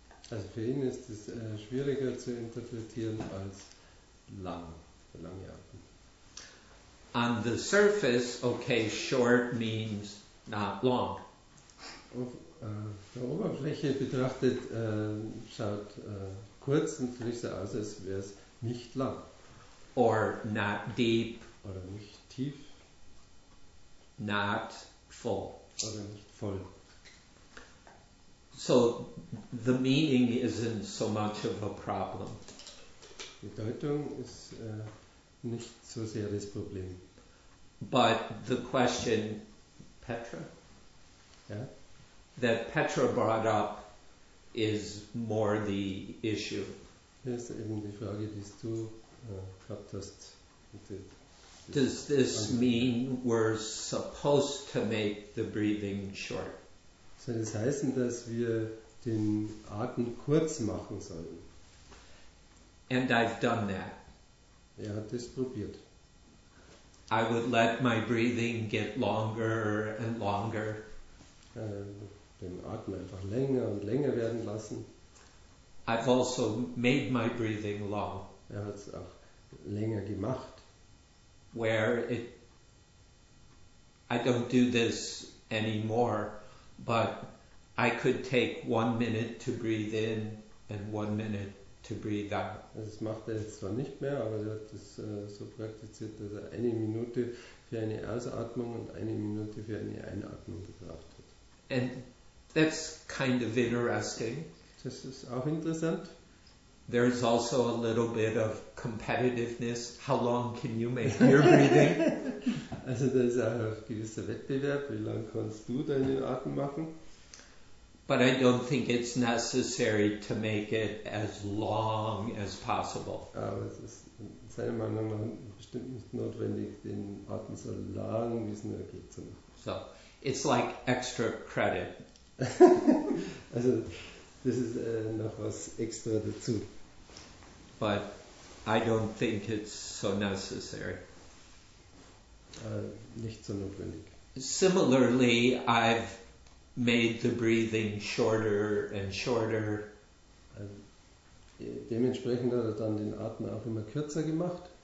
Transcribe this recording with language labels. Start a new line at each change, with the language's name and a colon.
German: Also für ihn ist es schwieriger zu interpretieren als lange Atmen.
English: On the surface, okay, short means not long.
German: Auf der Oberfläche betrachtet schaut kurz natürlich so aus, als wäre es nicht lang.
English: Or not deep.
German: Oder nicht tief.
English: Not full.
German: Oder nicht voll.
English: So the meaning isn't so much of a problem.
German: Bedeutung ist nicht so sehr das Problem.
English: But the question Petra, yeah, that Petra brought up is more the issue.
German: Das ist eben die Frage, die du gehabt hast.
English: Does this mean we're supposed to make the breathing short?
German: Soll das heißen, dass wir den Atem kurz machen sollen?
English: And I've done that.
German: Er hat das probiert.
English: I would let my breathing get longer and longer.
German: Den Atem einfach länger und länger werden lassen.
English: I've also made my breathing long.
German: Er hat es auch länger gemacht.
English: Where it, I don't do this anymore, but I could take 1 minute to breathe in and 1 minute to breathe out.
German: Das macht er jetzt zwar nicht mehr, aber er hat das so praktiziert, dass er eine Minute für eine Ausatmung und eine Minute für eine Einatmung gebraucht hat.
English: And that's kind of interesting.
German: Das ist auch interessant.
English: There is also a little bit of competitiveness. How long can you make your breathing?
German: Also da ist auch ein gewisser Wettbewerb. Wie lange kannst du deinen Atem machen?
English: But I don't think it's necessary to make it as long as possible.
German: Aber es ist seiner Meinung nach bestimmt nicht notwendig, den Atem so lang wie es nur geht zu machen.
English: So, it's like extra credit.
German: Also das ist noch was extra dazu.
English: But I don't think it's so necessary.
German: Nicht so notwendig.
English: Similarly, I've made the breathing shorter and shorter.
German: Dementsprechend hat er dann den Atem auch immer kürzer gemacht.